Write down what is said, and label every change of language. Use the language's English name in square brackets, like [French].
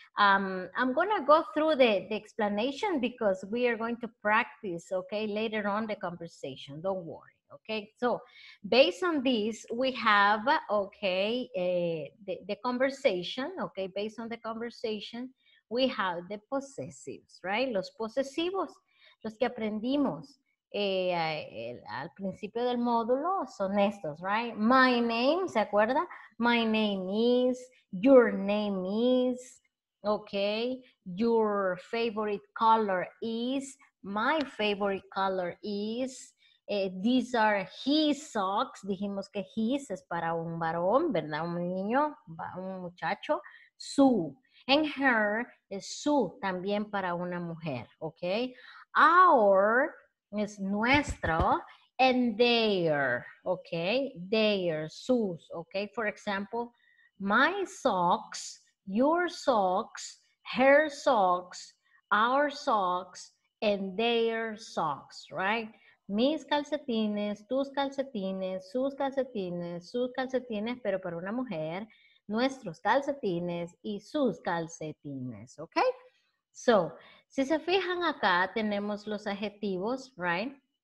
[English] I'm gonna go through the explanation because we are going to practice, okay, later on the conversation, don't worry. Okay, so based on this, we have, okay, the conversation, okay, based on the conversation, we have the possessives, right? [Spanish] Los posesivos, los que aprendimos al principio del módulo son estos, right? [English] My name, [Spanish] ¿se acuerda? [English] My name is, your name is, okay, your favorite color is, my favorite color is. These are his socks. [Spanish] Dijimos que his es para un varón, ¿verdad? Un niño, un muchacho. Su. [English] And her [Spanish] es su, también para una mujer, ¿ok? [English] Our [Spanish] es nuestro. [English] And their, ¿ok? Their, [Spanish] sus, ¿ok? [English] For example, my socks, your socks, her socks, our socks, and their socks, right? [Spanish] Mis calcetines, tus calcetines, sus calcetines, pero para una mujer, nuestros calcetines y sus calcetines, ¿ok? So, si se fijan acá, tenemos los adjetivos, right?